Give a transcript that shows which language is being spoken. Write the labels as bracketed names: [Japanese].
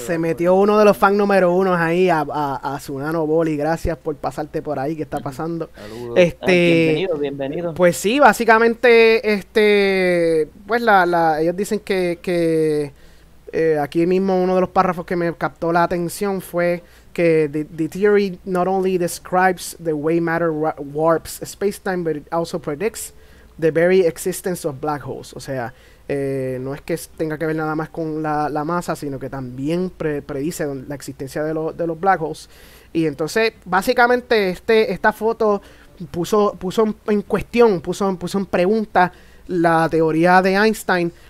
[Spanish] Se metió uno de los fans número uno ahí a Tsunano Boli. Gracias por pasarte por ahí. ¿Qué está pasando? Saludos. Bienvenido. Pues sí, básicamente, ellos dicen que aquí mismo uno de los párrafos que me captó la atención fue [English] que the theory not only describes the way matter warps space-time, but it also predicts the very existence of black holes. [Spanish] O sea, no es que tenga que ver nada más con la masa, sino que también predice la existencia de los black holes. Y entonces, básicamente, esta foto puso en pregunta la teoría de Einstein.